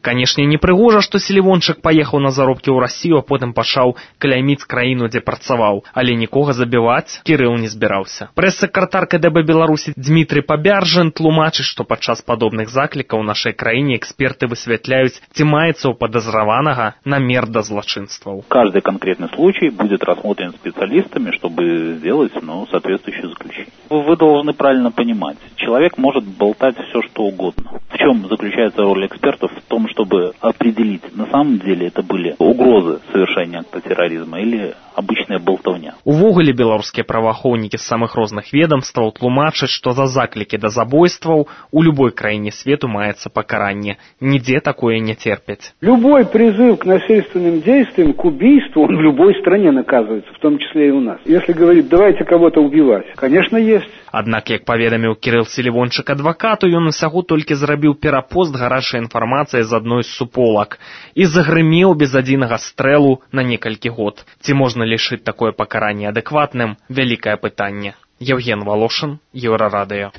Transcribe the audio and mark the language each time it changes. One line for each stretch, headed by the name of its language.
Belarusian: Канешне, непрыгожа, што Селівончык паехаў на заробкі ў Расію, а потым пачаў кляміць краіну, дзе працаваў. Але нікога забіваць Кірыл не збіраўся. Прэс-сакратар КДБ Беларусі Дмітрый Пабяржын тлумачыць, што падчас падобных заклікаў у нашай краіне эксперты высвятляюць, ці маецца ў падазраванага намер да злачынстваў.
Russian: Каждый конкретный случай будет рассмотрен специалистами, чтобы сделать, ну, соответствующее заключение. Вы должны правильно понимать, человек может болтать все, что угодно. В чем заключается роль экспертов? В том, чтобы определить, на самом деле это были угрозы совершения акта терроризма или обычная болтовня.
Belarusian: Увогуле беларускія праваахоўнікі з самых розных ведомстваў тлумачаць, што за заклікі да забойстваў у любой краіне свету маецца пакаранне. Нідзе такое не терпяць.
Russian: Любой призыв к насильственным действиям, к убийству, он в любой стране наказывается, в том числе и у нас. Если говорить, давайте кого-то убивать, конечно, есть.
Belarusian: Аднак, як паведаміў Кірыл Селівончык адвакату, ён усяго толькі зрабіў перапост гарачай інфармацыі з адной з суполак і загрымеў без адзінага стрэлу на некалькі год. Ці можна лічыць такое пакаранне адэкватным? Вялікае пытанне. Яўген Валошын, Еўрарадыё.